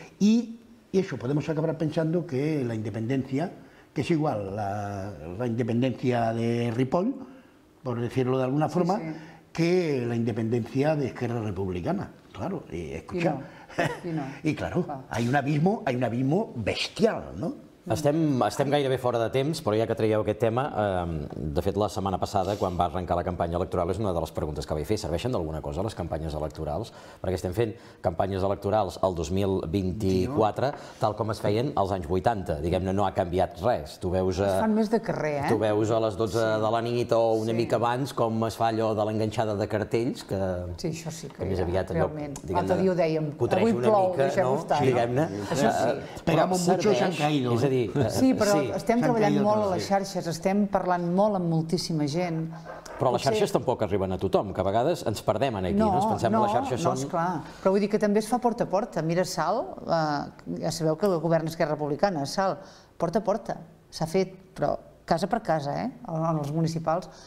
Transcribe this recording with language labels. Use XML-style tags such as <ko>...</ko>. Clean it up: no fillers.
<es>Y eso, podemos acabar pensando que la independencia, que es igual la independencia de Ripoll, por decirlo de alguna forma, que la independencia de Esquerra Republicana, claro, escucha. Y claro, hay un abismo bestial, ¿no?</es> <ca>Estem gairebé fora de temps, però ja que traieu aquest tema, de fet, la setmana passada, quan va arrencar la campanya electoral, és una de les preguntes que vaig fer. Serveixen d'alguna cosa les campanyes electorals? Perquè estem fent campanyes electorals el 2024, tal com es feien als anys 80. Diguem-ne, no ha canviat res. Es fan més de carrer, Tu veus a les 12 de la nit o una mica abans com es fa allò de l'enganxada de cartells, que... Sí, això sí que hi ha, realment. L'altre dia ho dèiem, avui plou, deixem-ho estar. Diguem-ne.</ca> <es>Esperamos mucho, se han caído.</es> <ca>Sí, però estem treballant molt a les xarxes, estem parlant molt amb moltíssima gent. Però les xarxes tampoc arriben a tothom, que a vegades ens perdem aquí, no? No, no, esclar. Però vull dir que també es fa porta a porta. Mira, Salt, ja sabeu que el govern Esquerra Republicana, Salt, porta a porta, s'ha fet, però casa per casa, en els municipals.</ca>